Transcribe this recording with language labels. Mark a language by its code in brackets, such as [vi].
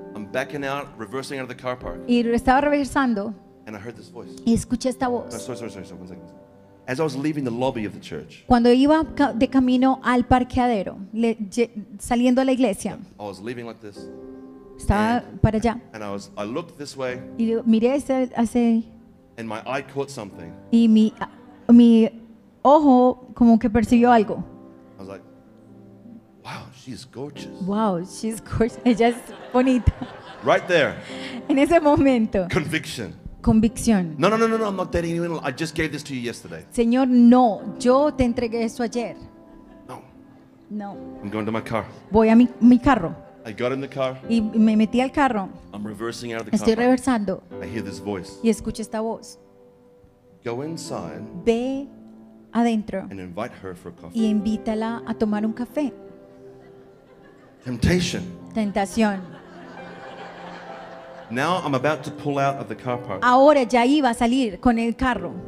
[en] I'm backing out, reversing out of the car park. [es] Y estaba reversando. [en] And I heard this voice. [es] Y escuché esta voz. [en] No, sorry, 1 second. As I was leaving the lobby of the church, [es] cuando iba de camino al parqueadero, saliendo de la iglesia, [en] I was leaving like this, [es] estaba para allá, [en] and I looked this way, [es] y miré hacia, [en] and my eye caught something, [es] y mi ojo como que percibió algo. [en] I was like, wow, she's gorgeous. Wow, she's gorgeous. [es] Ella es bonita. [en] Right there. [es] En ese momento. [en] Conviction. [es] Convicción. [en] No, I'm not dating anyone. I just gave this to you yesterday. [es] Señor, no, yo te entregué eso ayer. [en] No. [es] No. [en] I'm going to my car. [es] Voy a mi carro. [en] I got in the car. [es] Y me metí al carro. [en] I'm reversing out of the [es] car. Estoy reversando. [en] I hear this voice. [es] Y escucho esta voz. [en] Go inside. [es] Ve adentro. [en] And invite her for a coffee. [es] Y invítala a tomar un café. [en] Temptation. [es] Tentación. [en] Now I'm about to pull out of the car park. [es] Ahora ya iba a salir con el carro.